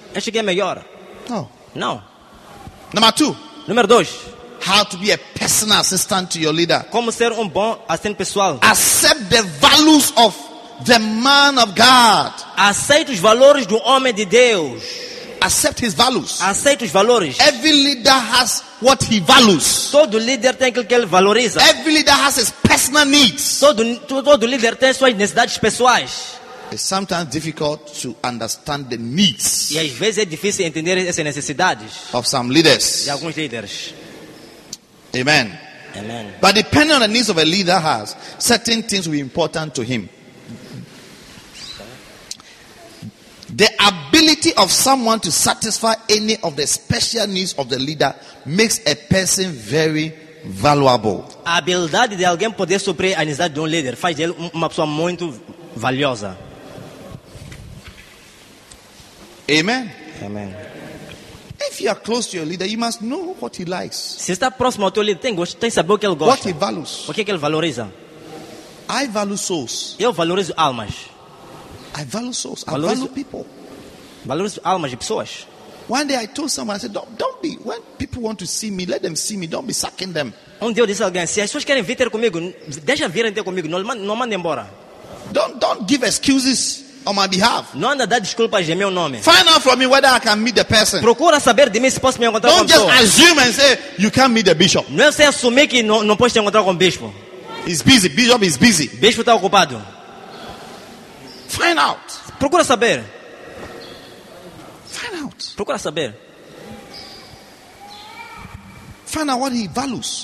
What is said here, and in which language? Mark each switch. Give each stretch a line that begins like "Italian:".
Portuguese: Acho que é melhor. Não. Número 2.
English: How to be a personal assistant to your leader.
Portuguese: Como ser bom assistente pessoal.
English: Accept the values of the man of God.
Portuguese: Aceite os valores do homem de Deus.
English: accept his values.
Portuguese: Aceite os valores.
English: Every leader has what he values.
Portuguese: Todo líder tem aquilo que ele valoriza.
English: Every leader has his personal needs.
Portuguese: Todo líder tem suas necessidades pessoais.
English: It's sometimes difficult to understand the needs.
Portuguese: E às vezes é difícil entender essas necessidades.
English: Of some leaders.
Portuguese: De alguns líderes. Amen. Amen.
English: But depending on the needs of a leader has, certain things will be important to him. The ability of someone to satisfy any of the special needs of the leader makes a person very valuable.
Portuguese: A habilidade de alguém poder suprir a necessidade de líder faz dele uma pessoa muito valiosa. Amen. Amen.
English: If you are close to your leader, you must know what he likes.
Portuguese: Se está próximo ao teu líder, tem que saber o que ele gosta.
English: What he values.
Portuguese: O que ele valoriza.
English: I value souls.
Portuguese: Eu valorizo almas.
English: I value souls. I value people.
Portuguese: Valorizo almas e pessoas.
English: One day I told someone, I said, don't be, when people want to see me, let them see me, don't be sucking them.
Portuguese: Um dia eu disse a alguém, se as pessoas querem vir comigo, deixa virem ter comigo, não mandem embora.
English: Don't give excuses on my behalf.
Portuguese: Não anda dar desculpas de meu nome.
English: Find out from me whether I can meet the person.
Portuguese: Procura saber de mim se posso me encontrar com o bispo.
English: Don't just assume and say, you can't meet the bishop.
Portuguese: Não é só assumir que não posso te encontrar com o bispo.
English: He's busy, bishop is busy.
Portuguese: Bispo está ocupado.
English: Find out.
Portuguese: Procura saber.
English: Find out.
Portuguese: Procura saber.
English: Find out what he values.